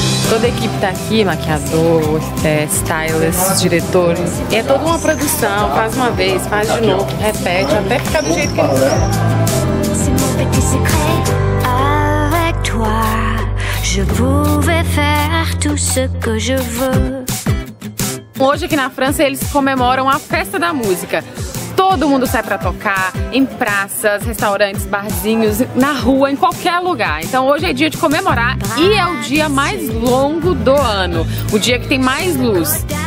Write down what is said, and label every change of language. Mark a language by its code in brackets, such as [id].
[pt] Toda a equipe tá aqui, maquiador, stylist, diretores. E é toda uma produção, faz uma vez, faz de novo, repete, até ficar do jeito que é. [fr] C'est mon petit secret, avec toi, je pouvais faire tout ce que je veux. [pt] Hoje aqui na França eles comemoram a festa da música. Todo mundo sai pra tocar, em praças, restaurantes, barzinhos, na rua, em qualquer lugar. Então hoje é dia de comemorar e é o dia mais longo do ano, o dia que tem mais luz.